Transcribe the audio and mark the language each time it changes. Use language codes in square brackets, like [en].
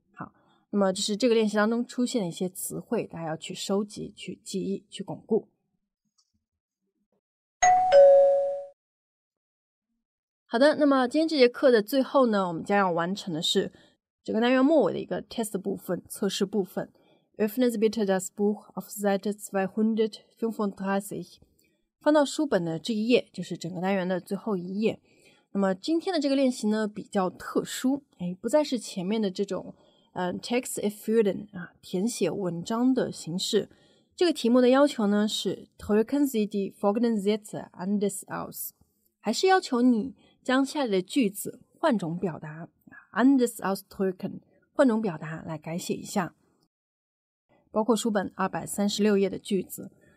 [zh] 好，那么这是这个练习当中出现的一些词汇，大家要去收集、去记忆、去巩固。好的，那么今天这节课的最后呢，我们将要完成的是整个单元末尾的一个 test 部分、测试部分。 [de] Öffnen Sie bitte das Buch auf Seite 235。 [zh] 翻到书本的这一页，就是整个单元的最后一页。那么今天的这个练习呢比较特殊，不再是前面的这种 [de] text erfüllen [zh] 啊，填写文章的形式。这个题目的要求呢是 [de] drücken Sie die folgenden Sätze anders aus， [zh] 还是要求你将下列的句子换种表达 [de] anders ausdrücken， [zh] 换种表达来改写一下，包括书本236页的句子。